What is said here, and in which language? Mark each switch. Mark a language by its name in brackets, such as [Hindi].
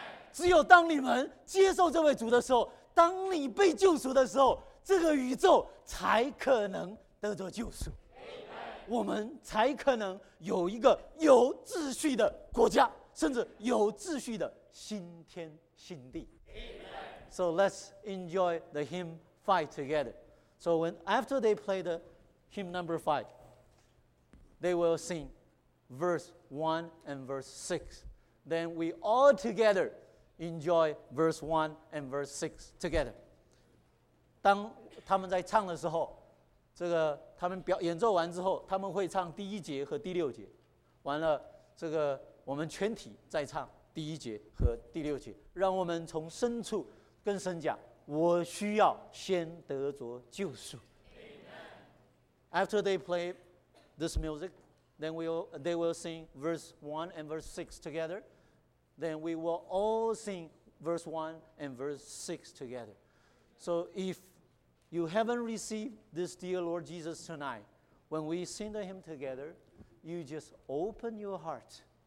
[Chinese] 只有当你们接受这位主的时候, 当你被救赎的时候, 这个宇宙才可能得着救赎。 [English] Amen. [Chinese] 我们才可能有一个有秩序的国家, 甚至有秩序的新天新地。 [English] Amen. So let's enjoy the hymn fight together. So when after they play the hymn number 5, they will sing verse 1 and verse 6. Then we all together enjoy verse 1 and verse 6 together. [Chinese] 当他们在唱的时候，这个他们表演奏完之后，他们会唱第一节和第六节。完了，这个我们全体再唱第一节和第六节，让我们从深处跟神讲：“我需要先得着救赎。” [English] After they play this music, then they will sing verse 1 and verse 6 together. Then we will all sing verse 1 and verse 6 together. So if you haven't received this dear Lord Jesus tonight, when we sing the hymn together, you just open your heart.